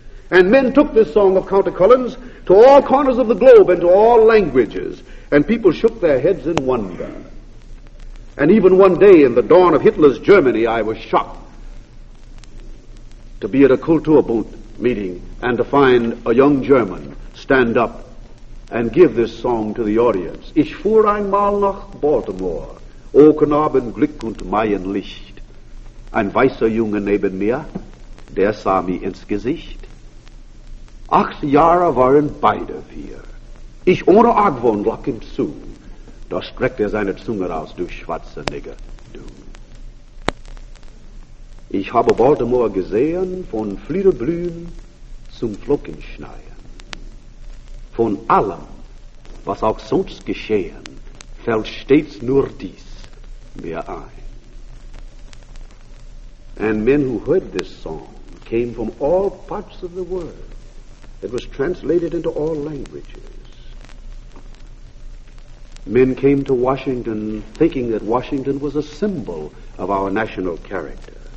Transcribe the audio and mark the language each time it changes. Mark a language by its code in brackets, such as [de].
[en] And men took this song of Count Cullen's to all corners of the globe and to all languages, and people shook their heads in wonder. And even one day in the dawn of Hitler's Germany, I was shocked to be at a Kulturbund meeting and to find a young German stand up and give this song to the audience. [de] Ich fuhr einmal nach Baltimore, oken abend glick und mein Licht. Ein weißer Junge neben mir, der sah mir ins Gesicht. 8 Jahre waren beide wir. Ich ohne Argwohn lag ihm zu. Da streckt seine Zunge aus, du schwarzer Nigger, du. Ich habe Baltimore gesehen, von Fliederblühen zum Flockenschneien. Von allem, was auch sonst geschehen, fällt stets nur dies mir ein. [en] And men who heard this song came from all parts of the world. It was translated into all languages. Men came to Washington thinking that Washington was a symbol of our national character.